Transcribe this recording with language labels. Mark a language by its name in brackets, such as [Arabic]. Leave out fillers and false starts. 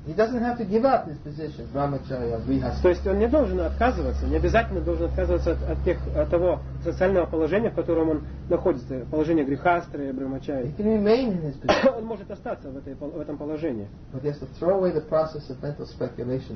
[English] He doesn't have to give up his position, brahmacharya, [Russian] grihastha. То есть он не должен отказываться, не обязательно должен отказываться от того социального положения, в котором он находится, положение грихастры, брахмачари. [English] He can remain in his position. [Russian] Он может остаться в этом положении. [English] But he has to throw away the process of mental speculation.